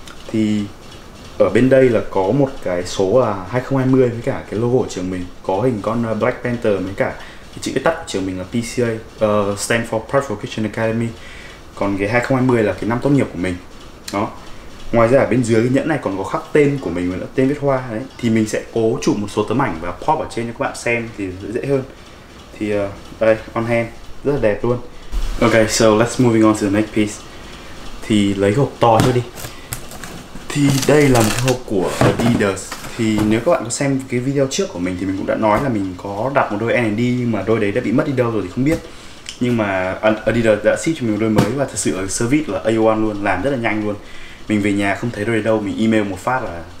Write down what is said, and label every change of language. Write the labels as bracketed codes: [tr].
[vi] Thì ở bên đây là có một cái số là 2020 với cả cái logo của trường mình, có hình con Black Panther với cả cái chữ viết tắt của trường mình là PCA, stand for Proud for Christian Academy. Còn cái 2020 là cái năm tốt nghiệp của mình đó. Ngoài ra ở bên dưới cái nhẫn này còn có khắc tên của mình là tên viết hoa đấy. Thì mình sẽ cố chụp một số tấm ảnh và pop ở trên cho các bạn xem thì dễ hơn. Thì đây on hand rất là đẹp luôn. [en] Ok, so let's moving on to the next piece. [vi] Thì lấy hộp to cho đi. Thì đây là một hộp của Adidas. Thì nếu các bạn có xem cái video trước của mình thì mình cũng đã nói là mình có đặt một đôi N&D, nhưng mà đôi đấy đã bị mất đi đâu rồi thì không biết. Nhưng mà Adidas đã ship cho mình một đôi mới, và thật sự ở service là A1 luôn, làm rất là nhanh luôn. Mình về nhà không thấy đôi đấy đâu, mình email một phát là